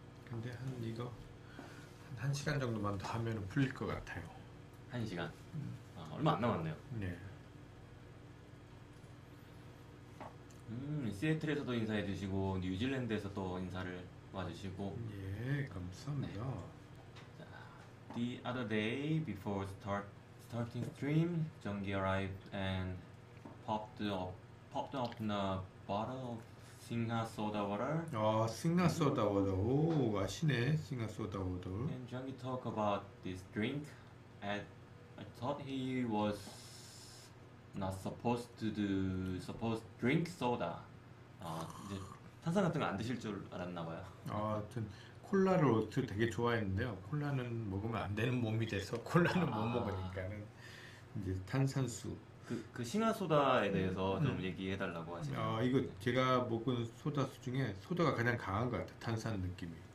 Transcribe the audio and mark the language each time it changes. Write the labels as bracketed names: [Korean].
[Korean] 근데 한 이거 한 1시간 정도만 더 하면 풀릴 것 같아요. 1시간? 아, 얼마 안 남았네요. 네. 시애틀에서도 인사해 주시고 뉴질랜드에서 또 인사를 와주시고. 예, 감사합니다. 네. [English] The other day before starting stream, Jungi arrived and popped up in a bottle of Singha soda water. [Korean] 아, Singha soda water. 오, 아시네, Singha soda water. [English] And Jungi talked about this drink. And I thought he was not supposed to drink soda. [Korean] 아, 이제 탄산 같은 거 안 드실 줄 알았나 봐요. 아, 전 콜라를 되게 좋아했는데요. 콜라는 먹으면 안 되는 몸이 돼서 콜라는 못 먹으니까는 이제 탄산수. 그 싱하소다에 대해서 좀 얘기해달라고 하시네요. 아, 이거 제가 먹은 소다수 중에 소다가 가장 강한 것 같아요. 탄산 느낌이.